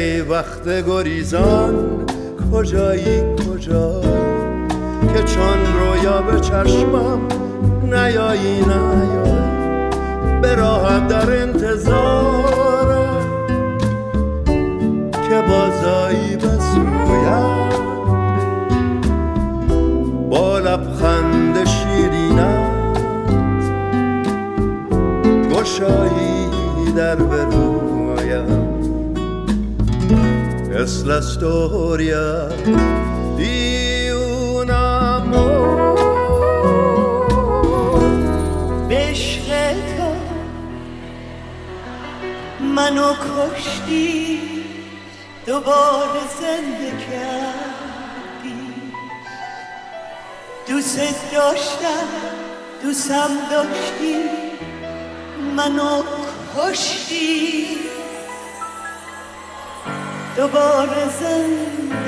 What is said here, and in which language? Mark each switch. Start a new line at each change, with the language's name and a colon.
Persian: وقت گریزان کجایی کجا که چون رویا به چشمم نیایی نیا، به راهم در انتظارم که بازایی بسویم با لبخند شیرینت گشایی در برویم.
Spanish: Es la historia de un amor.
Persian: عشق تو منو کشتی، دوباره زنده کردی. دوست داشتم، دوستم داشتی، منو کشتی، دوباره زنده